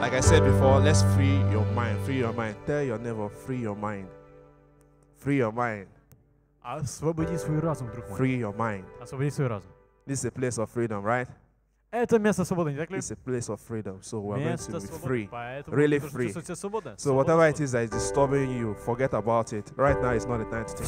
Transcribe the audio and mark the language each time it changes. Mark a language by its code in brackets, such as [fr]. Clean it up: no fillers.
[en] Like I said before, let's free your mind. Free your mind. Tell your neighbor, free your mind. Free your mind. [ru] Освободи свой разум, друг мой. [en] Free your mind. [ru] Освободи свой разум. [en] This is a place of freedom, right? [ru] Это место свободы, не так ли? [en] It's a place of freedom. So we're [ru] место [en] going to be [ru] свободы. [en] Free. Really free. So whatever it is that is disturbing you, forget about it. Right now is not the time to think